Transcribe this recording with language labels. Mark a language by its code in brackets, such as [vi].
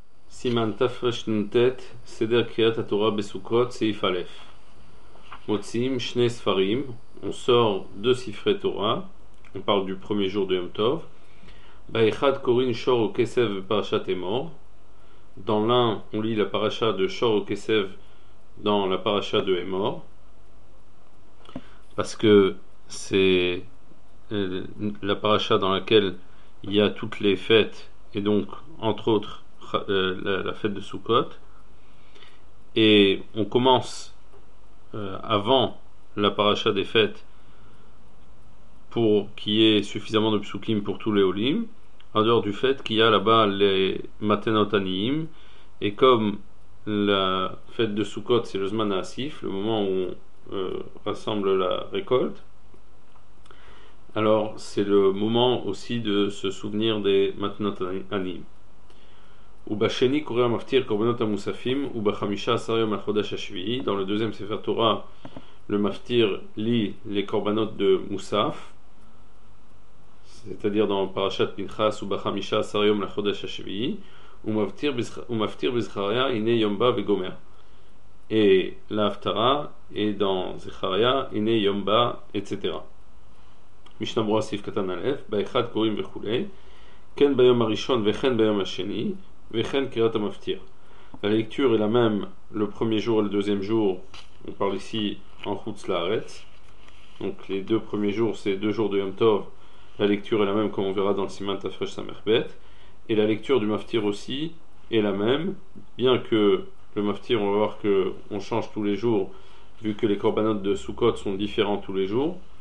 [he] סימן תרנ"ט, סדר קריאת התורה בסוכות, סעיף א'. מוציאים שני ספרים, [fr] on sort deux ספרי תורה, on parle du premier jour de Yom Tov. [he] באחד קוראים שור או כסף בפרשת אמור. [fr] Dans l'un, on lit la parasha de Shor ou Kesev dans la parasha de Emor. Parce que c'est la parasha dans laquelle il y a toutes les fêtes, et donc, entre autres, la fête de Sukkot. Et on commence avant la parasha des fêtes pour qu'il y ait suffisamment de psukim pour tous les olim, en dehors du fait qu'il y a là-bas les matenot aniim, et comme la fête de Sukkot c'est le zman ha'asif, le moment où on rassemble la récolte, alors c'est le moment aussi de se souvenir des matenot aniim. [he] ובשני קורא המפטיר קורבנות המוספים ובחמישה עשר יום החודש השביעי. [fr] Dans le deuxième sefer Torah, le maftir lit les korbanot de Moussaf, c'est-à-dire dans parashat Pinchas, [he] ובחמישה עשר יום החודש השביעי, ומפטיר בזכריה הנה יום בא וגומר. [fr] Et להפטרה, et dans [he] זכריה הנה יום בא, [fr] etc. [he] משנה ברורה סעיף קטן א', באחד קוראים וכו', כן ביום הראשון וכן ביום השני, וכן קריאת המפטיר. [fr] La lecture est la même le premier jour et le deuxième jour. On parle ici en Chutz Laaretz. Donc les deux premiers jours, c'est deux jours de Yom Tov. La lecture est la même, comme on verra dans le Siman Tafresh Samech Bet. Et la lecture du Maftir aussi est la même. Bien que le Maftir, on va voir qu'on change tous les jours, vu que les Korbanot de Sukkot sont différents tous les jours.